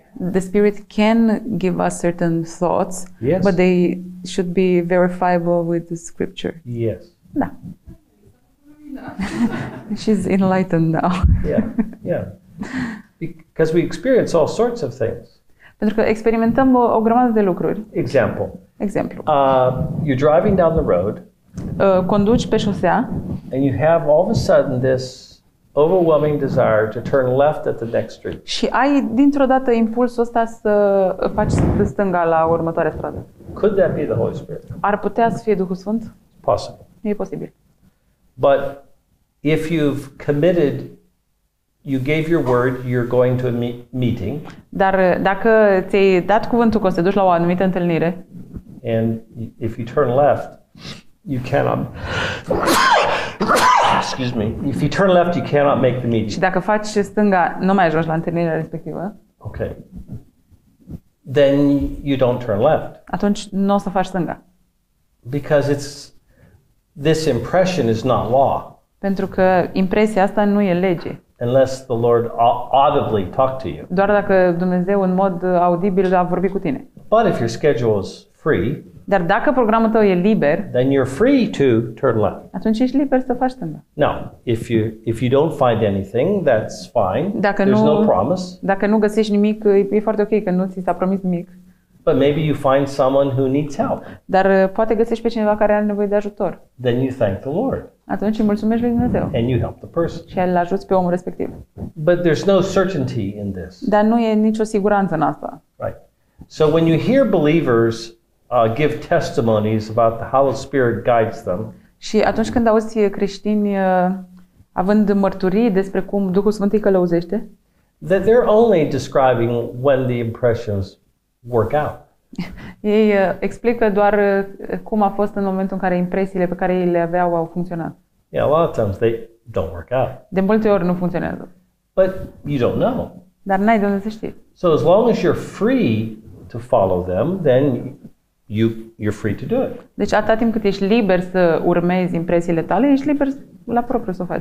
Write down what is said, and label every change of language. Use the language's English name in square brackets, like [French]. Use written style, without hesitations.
[English] The Spirit can give us certain thoughts, yes, but they should be verifiable with the Scripture. Yes. [Romanian] Da. [English] She's enlightened now. Yeah. Because we experience all sorts of things. [Romanian] Pentru că experimentăm o grămadă de lucruri. [English] Example. [Romanian] Exemplu. [English] You're driving down the road. [Romanian] Conduci pe șosea. [English] And you have all of a sudden this overwhelming desire to turn left at the next street. [Romanian] Și ai dintr-o dată impulsul ăsta să faci de stânga la următoarea stradă. [English] Could that be the Holy Spirit? [Romanian] Ar putea să fie Duhul Sfânt? [English] Possible. [Romanian] E posibil. [English] But if you've committed, you gave your word, you're going to a meeting. [Romanian] Dar dacă ți-ai dat cuvântul că o să te duci la o anumită întâlnire. [English] And if you turn left, you cannot. Excuse me. If you turn left, you cannot make the meeting. [Romanian] Și dacă faci stânga, nu mai ajungi la întâlnirea respectivă. [English] Okay. Then you don't turn left. [Romanian] Atunci nu o să faci stânga. [English] Because it's this impression is not law. [Romanian] Pentru că impresia asta nu e lege. [English] Unless the Lord audibly talked to you. [Romanian] Doar dacă Dumnezeu în mod audibil a vorbit cu tine. [English] But if your schedule is free, [Romanian] dar dacă programul tău e liber, [English] then you're free to turn left. [Romanian] Atunci ești liber să faci stânga. [English] Now, if you don't find anything, that's fine. [Romanian] Dacă [English] there's no promise. [Romanian] Dacă nu găsești nimic, e foarte ok că nu ți s-a promis nimic. [English] But maybe you find someone who needs help. [Romanian] Dar poate găsești pe cineva care are nevoie de ajutor. [English] Then you thank the Lord. [Romanian] Atunci îi mulțumești lui Dumnezeu. [English] And you help the person. [Romanian] Și îl ajuți pe omul respectiv. [English] But there's no certainty in this. [Romanian] Dar nu e nicio siguranță în asta. [English] Right. So when you hear believers give testimonies about the Holy Spirit guides them. [Romanian] Și atunci când auzi creștini având mărturii despre cum Duhul Sfânt îi călăuzește, [English] that they're only describing when the impressions work out. [Romanian] Ei explică doar cum a fost în momentul în care impresiile pe care le aveau au funcționat. [English] Yeah, a lot of times they don't work out. [Romanian] De multe ori nu funcționează. [English] But you don't know. [Romanian] Dar n-ai de unde să știi. [English] So as long as you're free to follow them, then you're free to do it. [Romanian] Deci atâta timp cât ești liber să urmezi impresiile tale, ești liber la propriu să o faci.